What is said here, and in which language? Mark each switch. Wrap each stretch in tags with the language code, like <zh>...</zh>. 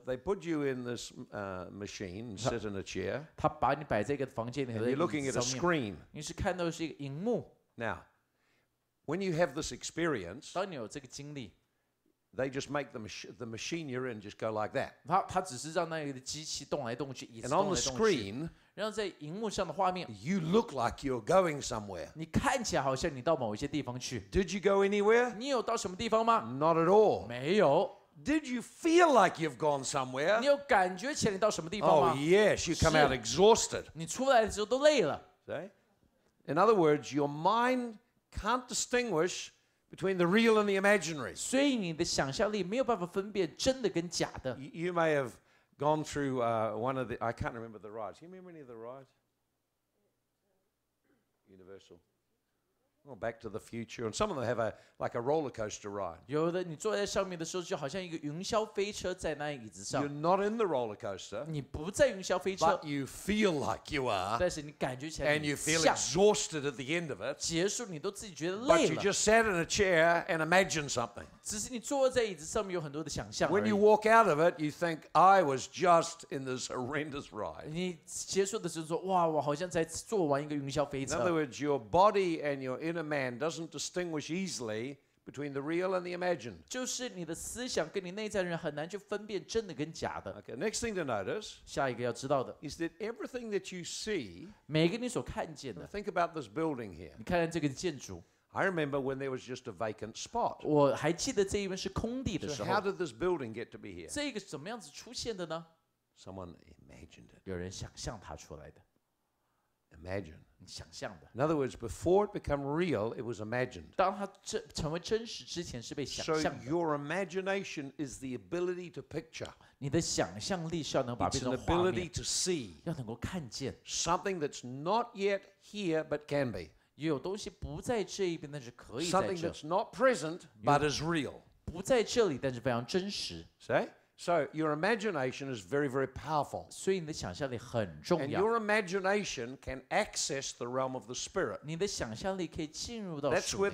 <en>They put you in this machine, sit in a chair.</en> <zh>他把你摆在一个房间里。</zh> <en>You're looking at a screen.</en> <zh>你是看到的是一个荧幕。</zh> <en>Now, when you have this experience,</en> <zh>当你有这个经历,</zh> <en>they just make the machine you're in just go like that.</en> <zh>他只是让那个机器动来动去，椅子动来动去。</zh> <en>And on the screen,</en> <zh>然后在荧幕上的画面,</zh> <en>you look like you're going somewhere.</en> <zh>你看起来好像你到某一些地方去。</zh> <en>Did you go anywhere?</en> <zh>你有到什么地方吗?</zh> <en>Not at all.</en> <zh>没有。</zh> <en>Did you feel like you've gone somewhere?</en> <zh>你有感觉起来你到什么地方吗?</zh> <en>Oh yes, you come out exhausted.</en> <zh>你出来的时候都累了。</zh> <en>See? In other words, your mind can't distinguish between the real and the imaginary.</en> <zh>所以你的想象力没有办法分辨真的跟假的。</zh> <en>You may have gone through one of the, I can't remember the rides. Do you remember any of the rides? Universal. Well, Back to the Future, and some of them have a like a roller coaster ride.</en> <zh>有的你坐在上面的时候，就好像一个云霄飞车在那椅子上。</zh> <en>You're not in the roller coaster.</en> <zh>你不在云霄飞车。</zh> <en>But you feel like you are.</en> <zh>但是你感觉起来。</zh> <en>And you feel exhausted at the end of it.</en> <zh>结束你都自己觉得累了。</zh> <en>But you just sat in a chair and imagined something.</en> <zh>只是你坐在椅子上面有很多的想象而</zh> <en>已。When you walk out of it, you think I was just in this horrendous ride.</en> <zh>你结束的时候说，哇，我好像才坐完一个云霄飞车。</zh> <en>In other words, your body and your inner man doesn't distinguish easily between the real and the imagined.</en> <zh>就是你的思想跟你内在的人很难去分辨真的跟假的。</zh> <en>Okay, next thing to notice,</en> <zh>下一个要知道的</zh> <en>is that everything that you see,</en> <zh>每个你所看见的</zh> <en>think about this building here.</en> <zh>你看看这个建筑。</zh> <en>I remember when there was just a vacant spot.</en> <zh>我还记得这一边是空地的时候。</zh> <en>So how did this building get to be here?</en> <zh>这个怎么样子出现的呢？</zh> <en>Someone imagined it.</en> <zh>有人想象它出来的。</zh> <en>Imagine.</en> <zh>你想象的。</zh> <en>In other words, before it became real, it was imagined.</en> <zh>当它成为真实之前是被想象的。</zh> <en>So your imagination is the ability to picture.</en> <zh>你的想象力是要能把变成画面。</zh> <en>It's an ability to see.</en> <zh>要能够看见。</zh> <en>Something that's not yet here, but can be.</en> <zh>有东西不在这一边，但是可以在</zh> <en>这。Something that's not present, but is real.</en> <zh>不在这里，但是非常真实。</zh> <en>See? So your imagination is very, very powerful.</en> <zh>所以你的想象力很重要。</zh> <en>And your imagination can access the realm of the spirit.</en> <zh>你的想象力可以进入到属灵里</zh>